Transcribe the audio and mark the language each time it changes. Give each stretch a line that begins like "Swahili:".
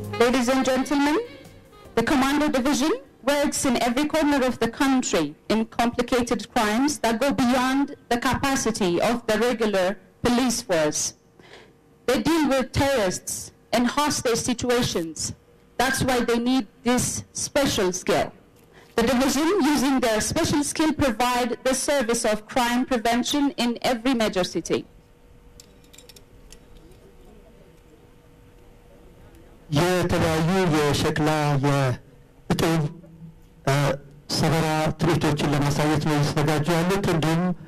English: Ladies and gentlemen, the Commando Division works in every corner of the country in complicated crimes that go beyond the capacity of the regular police force. They deal with terrorists in hostage situations. That's why they need this special skill. The division, using their special skill, provide the service of crime prevention in every major city.
Amharic: የተለያዩ የሸክላ የጥይት ሰበራ ትርኢቶችን ለማሳየት ነው የተዘጋጁ ያሉት። እንዲሁም